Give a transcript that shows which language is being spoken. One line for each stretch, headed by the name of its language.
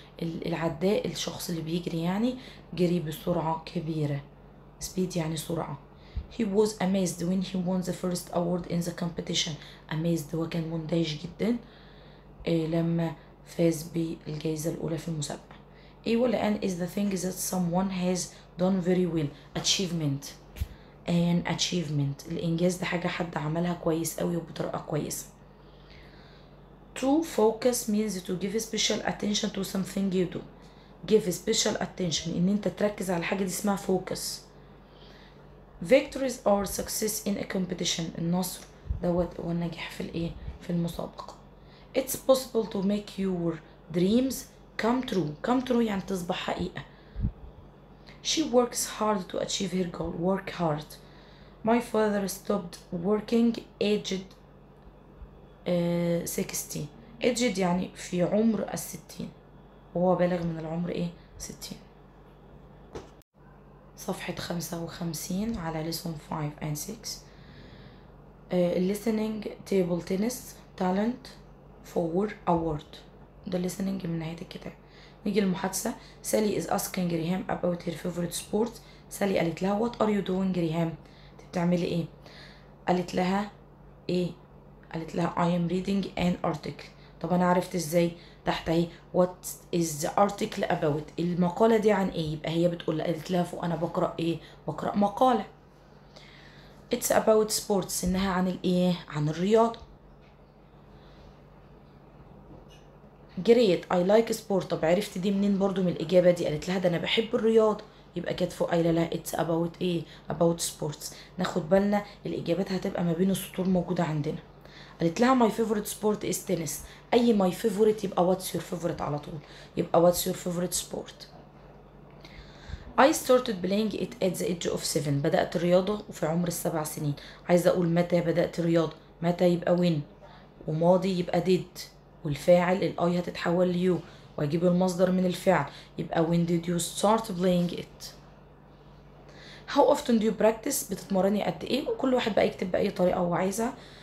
Arabic: العداء الشخص اللي بيجري يعني جري بسرعة كبيرة. Speed يعني سرعة.
English: He was amazed when he won the first award in the competition.
Arabic: Amazed وكان مندهش جدا لما فاز بالجائزة الأولى في المسابقة.
English: A
Arabic: ولا
English: an is the thing that someone has done very well. Achievement. An achievement.
Arabic: الإنجاز ده حاجة حد عملها كويس قوي وبطرقة كويسة.
English: To focus means to give special attention to something you do. Give special attention.
Arabic: إن أنت تركز على حاجة دي اسمها focus.
English: Victories or success in a competition.
Arabic: النصر دوت والنجاح في الإيه في المسابقة.
English: It's possible to make your dreams come true.
Arabic: Come true يعني تصبح حقيقة.
English: She works hard to achieve her goal. Work hard. My father stopped working aged 60.
Arabic: Aged يعني في عمر 60. وهو بلغ من العمر ايه 60. صفحة 55 على
English: lesson 5 and 6. Listening table tennis talent. For award.
Arabic: The listening من نهاية الكتاب. نيجي المحادثة.
English: Sally is asking Graham about her favorite sports. Sally
Arabic: قالت لها
English: What are you doing Graham?
Arabic: بتعملي ايه؟ قالت لها ايه؟ قالت لها
English: I am reading an article.
Arabic: طب انا عرفت ازاي؟ تحت ايه
English: What is the article about?
Arabic: المقالة دي عن ايه؟ يبقى هي بتقول قالت لها فوق انا بقرأ ايه؟ بقرأ مقالة.
English: It's about sports.
Arabic: انها عن الايه؟ عن الرياضة.
English: Great, I like sport.
Arabic: طب عرفت دي منين برضو من الإجابة دي؟ قالت لها ده أنا بحب الرياضة. يبقى كانت فوق قايلة لها
English: it's about
Arabic: إيه؟
English: about sports.
Arabic: ناخد بالنا الإجابات هتبقى ما بين السطور موجودة عندنا. قالت لها
English: my favorite sport is tennis. أي my favorite
Arabic: يبقى
English: what's your favorite
Arabic: على طول. يبقى
English: what's your favorite sport. I started playing it at the age of 7.
Arabic: بدأت الرياضة وفي عمر 7 سنين. عايز أقول متى بدأت الرياضة؟ متى يبقى when؟ وماضي يبقى did. والفاعل الاي هتتحول ليو واجيب المصدر من الفعل يبقى
English: when did you start playing it. How often do you practice؟
Arabic: بتتمرني قد ايه؟ وكل واحد بقى يكتب باي طريقه هو عايزها.